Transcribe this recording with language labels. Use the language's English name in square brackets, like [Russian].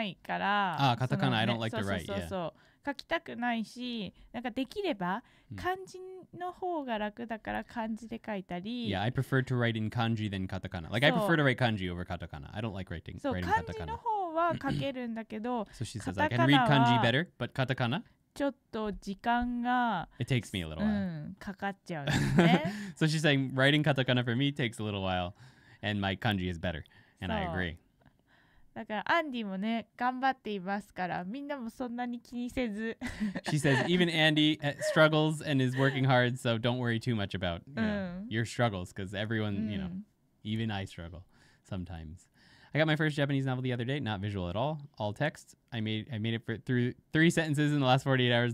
[Japanese] だってね、あんまり多分書きたくないから、カタカナ [English] I don't like to write. [Japanese] そう、書きたくないし、なんかできれば漢字の方が楽だから漢字で書いたり。 [English] Yeah, I prefer to write in kanji than katakana. Like I prefer to write kanji over katakana. I don't like writing in katakana. [Japanese] そう、漢字の方は書けるんだけど、 [English] So she says I can read kanji better, but katakana? [Japanese] ちょっと時間が [English] It takes me a little while. [Japanese] かかっちゃうね。 [English] So she's saying writing katakana for me takes a little while. And my kanji is better. And I agree. [Japanese] だからアンディもね、頑張っていますから、みんなもそんなに気にせず。 [English] She says, even Andy struggles and is working hard, so don't worry too much about your struggles. Because everyone, you know, even I struggle sometimes. I got my first Japanese novel the other day. Not visual at all. All text. I made it through three sentences in the last 48 hours.